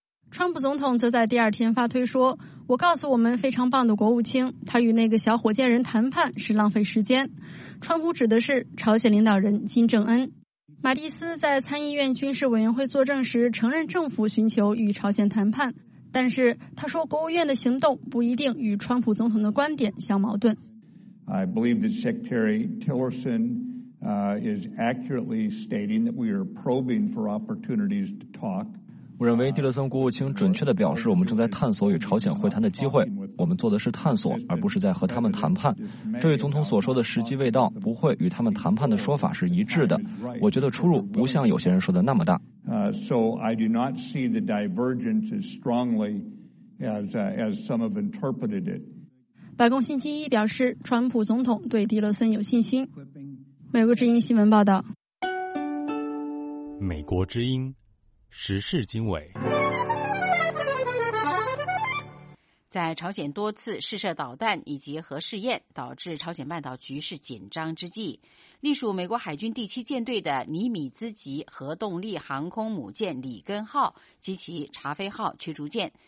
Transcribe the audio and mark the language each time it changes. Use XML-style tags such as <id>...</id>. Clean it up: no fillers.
<zh>川普总统则在第二天发推说，我告诉我们非常棒的国务卿，他与那个小火箭人谈判是浪费时间。川普指的是朝鲜领导人金正恩。马蒂斯在参议院军事委员会作证时承认政府寻求与朝鲜谈判，但是他说国务院的行动不一定与川普总统的观点相矛盾。</zh> <en>I believe that Secretary Tillerson, is accurately stating that we are probing for opportunities to talk.</en> <zh>我认为蒂勒森国务卿准确地表示，我们正在探索与朝鲜会谈的机会，我们做的是探索，而不是在和他们谈判。这与总统所说的时机未到，不会与他们谈判的说法是一致的。我觉得出入不像有些人说的那么大。</zh> <en>So I do not see the divergence as strongly as some have interpreted it.</en> <zh>白宫星期一表示，川普总统对蒂勒森有信心。美国之音新闻报道。美国之音时事经纬。在朝鲜多次试射导弹以及核试验导致朝鲜半岛局势紧张之际，隶属美国海军第七舰队的尼米兹级核动力航空母舰里根号及其查菲号驱逐舰</zh>